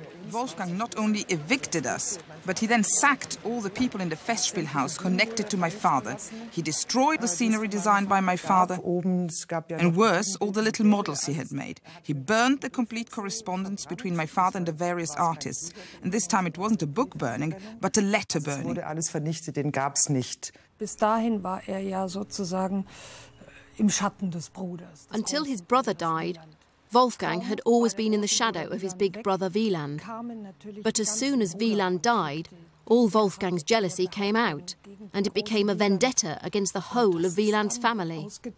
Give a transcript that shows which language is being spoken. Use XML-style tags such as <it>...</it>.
<en>Wolfgang not only evicted us, but he then sacked all the people in the Festspielhaus connected to my father. He destroyed the scenery designed by my father, and worse, all the little models he had made. He burned the complete correspondence between my father and the various artists. And this time it wasn't a book burning, but a letter burning.</en> <de>Wurde alles vernichtet, den gab's nicht. Bis dahin war ja sozusagen im Schatten des Bruders.</de> <en>Until his brother died, Wolfgang had always been in the shadow of his big brother Wieland. But as soon as Wieland died, all Wolfgang's jealousy came out, and it became a vendetta against the whole of Wieland's family.</en>